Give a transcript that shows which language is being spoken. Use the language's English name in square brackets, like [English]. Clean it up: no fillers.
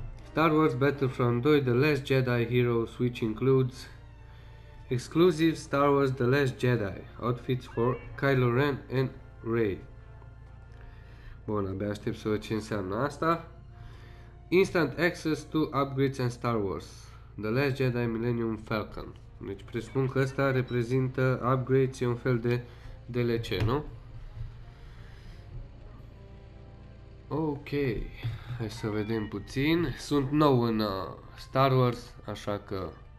[English] Star Wars Battlefront 2 The Last Jedi Heroes, which includes exclusive Star Wars The Last Jedi outfits for Kylo Ren and Rey. [Romanian] Bun, abia aștept să văd ce înseamnă asta. [English] Instant access to upgrades and Star Wars The Last Jedi Millennium Falcon. [Romanian] Deci presupun că ăsta reprezintă upgrades, e un fel de DLC, nu? Ok, hai să vedem puțin. Sunt nou în Star Wars, așa că...